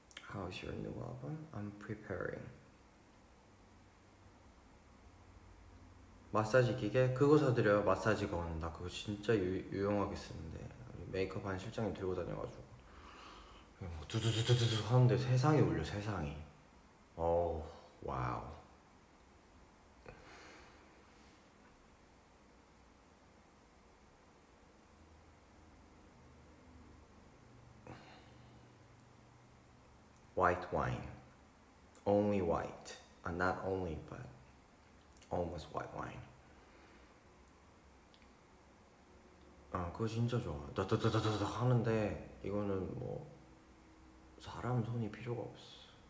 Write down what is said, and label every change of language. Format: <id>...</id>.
<en>'Cause your new album, I'm preparing.</en> <ko>마사지 기계 그거 사드려요. 마사지 건 나 그거 진짜 유용하게 쓰는데 메이크업 한 실장님 들고 다녀가지고 뭐 두두두두두두 하는데 세상이 울려 세상이. 오 와우.</ko> <en>화이트 와인. Only white. Not only, but almost white wine.</en> <ko>아, 그거 진짜 좋아. 다다다다다 하는데 이거는 뭐 사람 손이 필요가 없어.</ko>